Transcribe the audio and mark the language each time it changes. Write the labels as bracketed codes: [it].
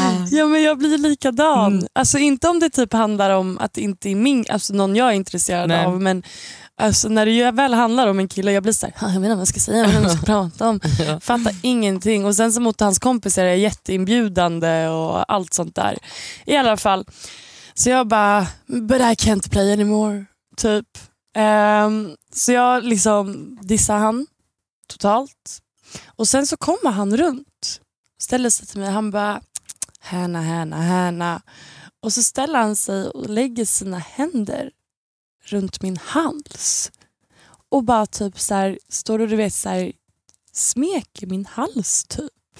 [sv] Ja, men jag blir likadan. Mm. Alltså inte om det typ handlar om att det inte är min, alltså någon jag är intresserad nej. Av, men alltså när det väl handlar om en kille, jag blir så här, jag vet inte vad jag ska säga, vad jag ska prata om. Ja. Fattar ingenting. Och sen så mot hans kompisar är jätteinbjudande och allt sånt där. I alla fall. Så jag bara, [en] but I can't play anymore. [sv] Typ. Så jag liksom dissar han totalt. Och sen så kommer han runt. Ställer sig till mig. Han bara, härna. Och så ställer han sig och lägger sina händer runt min hals och bara typ så här, står och du vet så här, smeker min hals typ.